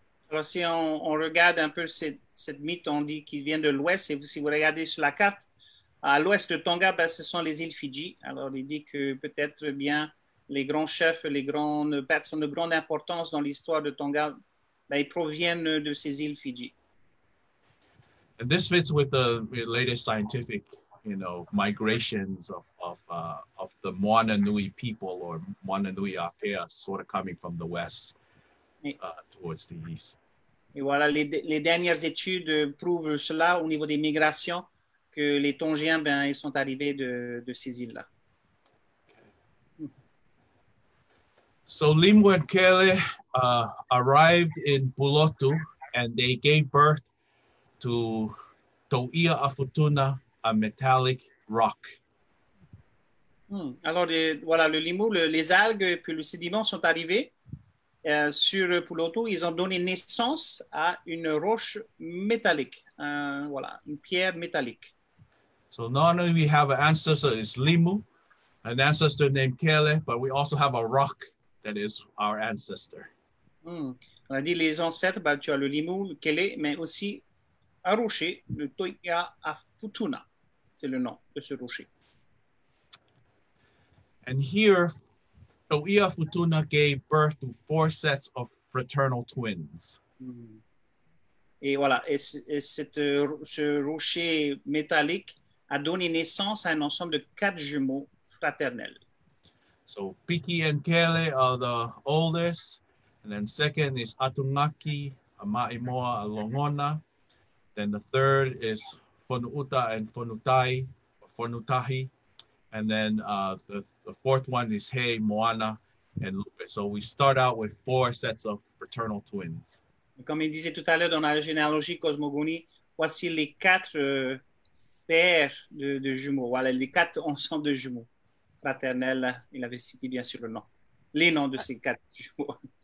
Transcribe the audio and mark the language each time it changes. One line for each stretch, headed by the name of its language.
French: Alors si on regarde un peu cette mythe, on dit qu'il vient de l'ouest. Et si vous regardez sur la carte, à l'ouest de Tonga, ben, ce sont les îles Fidji. Alors il dit que peut-être bien les grands chefs, les grandes personnes de grande importance dans l'histoire de Tonga, ben, ils proviennent de ces îles Fidji.
English: And this fits with the latest scientific, you know, migrations of the Moana Nui people, or Moana Nui Akea, sort of coming from the west towards the east.
French: Et voilà, les dernières études prouvent cela au niveau des migrations, que les Tongiens, ben, ils sont arrivés de ces îles-là.
English: So Limuekele arrived in Pulotu, and they gave birth to To'ia Afutuna, a metallic rock.
French: Alors voilà, le limou, les algues puis le sédiment sont arrivés sur Pulotu. Ils ont donné naissance à une roche métallique. Voilà, une pierre métallique.
English: So not only we have an ancestor is limu, an ancestor named Kele, but we also have a rock that is our ancestor.
French: On a dit les ancêtres, bah, tu as le limu, le Kele, mais aussi un rocher, le To'ia Afutuna. C'est le nom de ce rocher.
English: And here, To'ia Afutuna gave birth to four sets of fraternal twins.
French: Et voilà, et ce rocher métallique a donné naissance à un ensemble de quatre jumeaux fraternels.
English: So Piki and Kele are the oldest, and then second is Atunaki, a Maʻimoa, a Longona. Then the third is Fonuuta and Fonutai, Fonutahi. And then the fourth one is He, Moana, and Lupe. So we start out with four sets of fraternal twins.
French: Comme il disait tout à l'heure dans la généalogie cosmogonie, voici les quatre paires de jumeaux. Voilà, les quatre ensembles de jumeaux. Fraternel, il avait cité bien sûr le nom, les noms de ces quatre jumeaux.